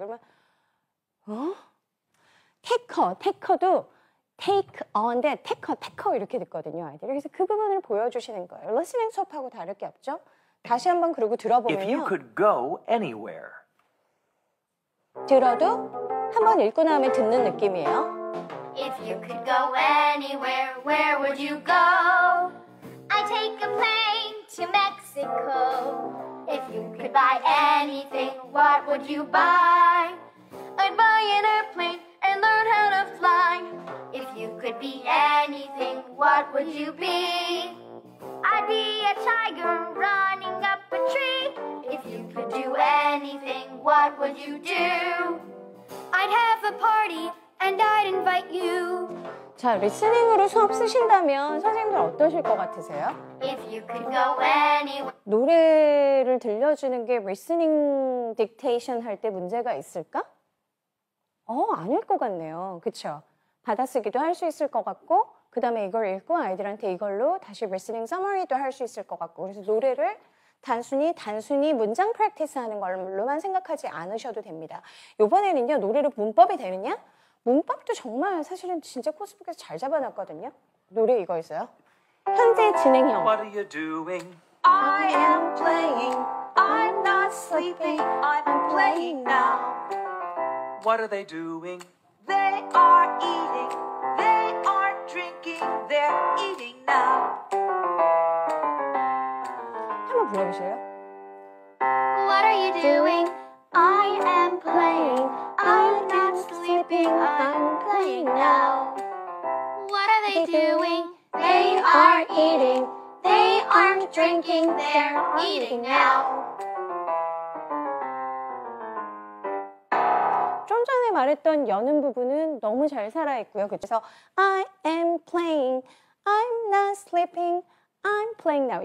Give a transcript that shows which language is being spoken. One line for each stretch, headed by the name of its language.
Korean: 그러면 어? take도 take on인데 take 이렇게 듣거든요 아이들이 그래서 그 부분을 보여주시는 거예요 listening 수업하고 다를 게 없죠 다시 한번 그러고 들어보면요
English: If you could go anywhere
Korean: 들어도 한번 읽고 나면 듣는 느낌이에요
English: If you could go anywhere where would you go I'd take a plane to Mexico If you could buy anything what would you buy I'd buy an airplane and learn how to fly If you could be anything, what would you be? I'd be a tiger running up a tree. If you could do anything, what would you do? I'd have a party and I'd invite you.
Korean: 자, 리스닝으로 수업 쓰신다면 선생님들 어떠실 것 같으세요?
English: If you could go anywhere.
Korean: 노래를 들려주는 게 리스닝 딕테이션 할 때 문제가 있을까? 아닐 것 같네요. 그쵸? 받아쓰기도 할 수 있을 것 같고 그 다음에 이걸 읽고 아이들한테 이걸로 다시 리스닝 서머리도 할 수 있을 것 같고 그래서 노래를 단순히 문장 프랙티스 하는 걸로만 생각하지 않으셔도 됩니다. 이번에는요 노래로 문법이 되느냐? 문법도 정말 사실은 진짜 코스북에서 잘 잡아놨거든요. 노래 이거였어요. 현재 진행형
English: What are you doing? I am playing I'm not sleeping I'm playing now What are they doing? They are eating, they are drinking, they're eating now.
Korean: 한번 불러보세요.
English: What are you doing? I am playing, I'm not sleeping, I'm playing now. What are they doing? They are eating, they aren't drinking, they're eating now.
Korean: 좀 전에 말했던 여는 부분은 너무 잘 살아있고요. 그래서
English: I am playing, I'm not sleeping, I'm playing now.